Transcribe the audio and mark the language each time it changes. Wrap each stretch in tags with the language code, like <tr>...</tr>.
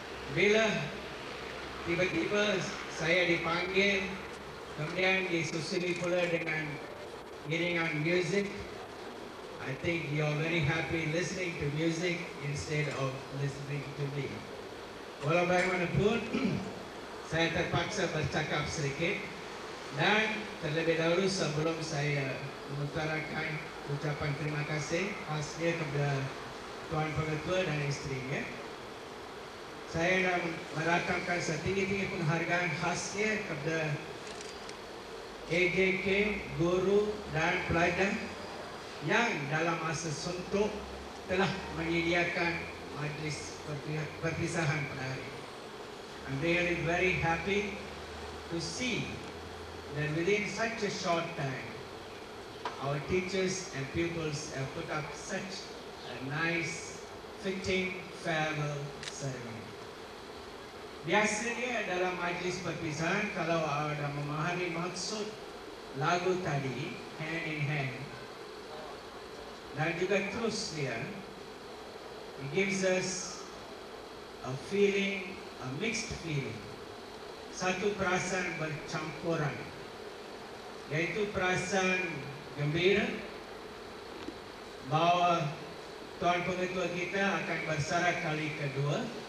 <ms>Bila tiba-tiba saya dipanggil, kemudian disusuli pula dengan iringan muzik</ms> <en>I think you're very happy listening to music instead of listening to me.</en> <ms>Walau bagaimanapun, saya terpaksa bercakap sedikit. Dan terlebih dahulu sebelum saya mengutarakan ucapan terima kasih khasnya kepada Tuan Pengetua dan isterinya, saya nak merakamkan setinggi-tinggi penghargaan khasnya kepada AJK, guru dan pelajar yang dalam masa suntuk telah menyediakan majlis perpisahan pada hari ini.</ms> <en>I'm really very happy to see that within such a short time, our teachers and pupils have put up such a nice, fitting farewell ceremony.</en> <ms>Biasanya dalam majlis perpisahan, kalau ada memahami maksud lagu tadi,</ms> <en>hand in hand,</en> <ms>dan juga terus dia,</ms> <en>it gives us a feeling, a mixed feeling,</en> <ms>satu perasaan bercampuran, yaitu perasaan gembira bahwa Tuan Pengetua kita akan bersara kali kedua.</ms>